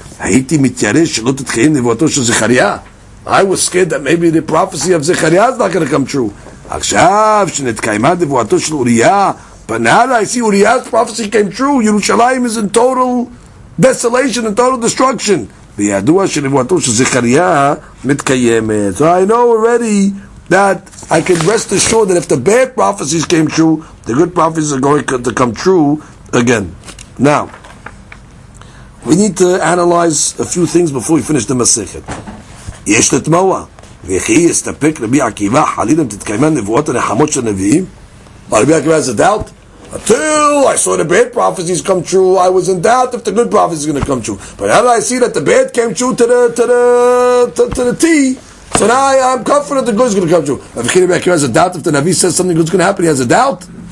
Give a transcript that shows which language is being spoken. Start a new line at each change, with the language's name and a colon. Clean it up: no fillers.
English: I was scared that maybe the prophecy of Zechariah is not going to come true.
Hebrew: עכשיו, שנתקיימה דבואתו של אוריה,
English: but now that I see Uriah's prophecy came true, Yerushalayim is in total desolation and total destruction.
Hebrew: וידוע שנבואתו של זכריה מתקיימת.
English: So I know already that I can rest assured that if the bad prophecies came true, the good prophecies are going to come true again. Now, we need to analyze a few things before we finish the מסכת.
Hebrew: יש לתמוה. וכי יסתפק רבי עקיבא חלילה תתקיימה נבואות הנחמות של הנביאים?
English: רבי עקיבא has a doubt. Until I saw the bad prophecies come true, I was in doubt if the good prophecies are going to come true. But now that I see that the bad came true to the T, so now I'm confident the good is going to come true. Rabbi Akiva has a doubt if the Navi says something good is going to happen, he has a doubt.